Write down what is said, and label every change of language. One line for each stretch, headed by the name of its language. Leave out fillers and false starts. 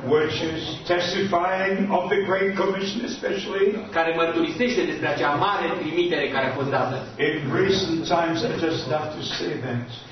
English: Which is testifying of the Great Commission especially.
Romanian: Care mărturisește despre acea mare trimitere care a fost dată.
English: In recent times I just have to say that.